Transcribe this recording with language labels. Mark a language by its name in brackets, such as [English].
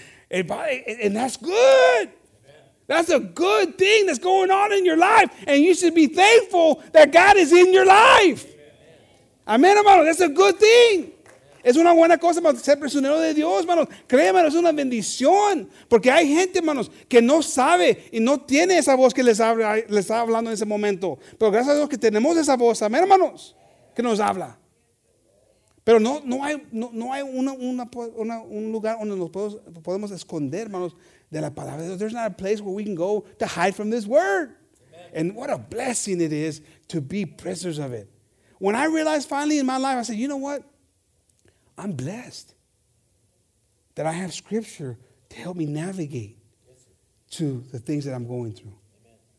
[English] And that's good. That's a good thing that's going on in your life. And you should be thankful that God is in your life. Amen, hermano. That's a good thing. [Spanish] Es una buena cosa, hermano, ser prisionero de Dios, hermanos. Créeme, hermano, es una bendición. Porque hay gente, hermanos, que no sabe y no tiene esa voz que les está hablando en ese momento. Pero gracias a Dios que tenemos esa voz, amén, hermanos, que nos habla. Pero no hay un lugar donde nos podemos esconder, hermanos, de la palabra de Dios. [English] There's not a place where we can go to hide from this word. Amen. And what a blessing it is to be prisoners of it. When I realized finally in my life, I said, you know what? I'm blessed that I have scripture to help me navigate to the things that I'm going through. Amen.